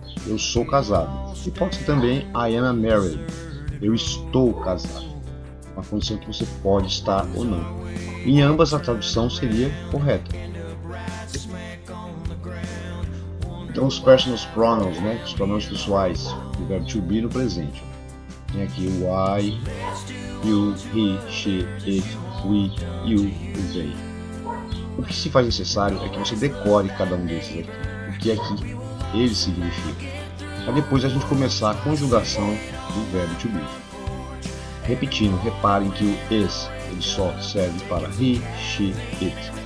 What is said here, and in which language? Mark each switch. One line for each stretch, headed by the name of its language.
Portuguese: Eu sou casado. E pode ser também
English: I am married.
Portuguese: Eu estou casado, uma condição que você pode estar ou não. Em ambas, a tradução seria correta. Então, os
English: personal pronouns,
Portuguese: né, os pronomes pessoais do verbo to be no presente. Tem aqui o
English: I, you, he, she, it, we, you, they.
Portuguese: O que se faz necessário é que você decore cada um desses aqui, o que é que ele significa, para depois a gente começar a conjugação do verbo to be. Repetindo, reparem que o is, ele só serve para
English: he, she, it.